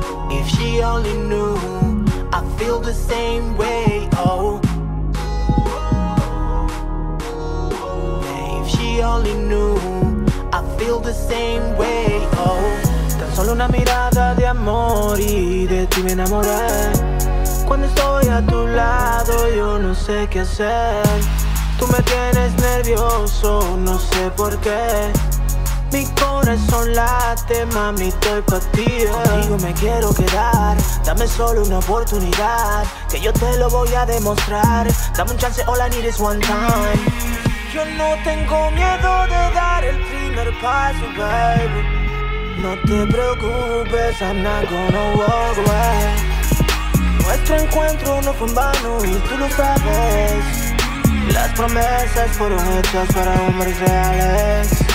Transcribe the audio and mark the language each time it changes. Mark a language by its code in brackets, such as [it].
[en] If she only knew, I feel the same way, oh. If she only knew, I feel the same way, oh. [es] Tan solo una mirada de amor y de ti me enamoré. Cuando estoy a tu lado yo no sé qué hacer. Tú me tienes nervioso, no sé por qué. Mi corazón late, mami, estoy pa' ti, yeah. Contigo me quiero quedar. Dame solo una oportunidad, que yo te lo voy a demostrar. Dame un chance, [en] all I need is one time. [es] Yo no tengo miedo de dar el primer paso, baby. No te preocupes, [en] I'm not gonna walk away. [es] Nuestro encuentro no fue en vano y tú lo sabes. Las promesas fueron hechas para hombres reales.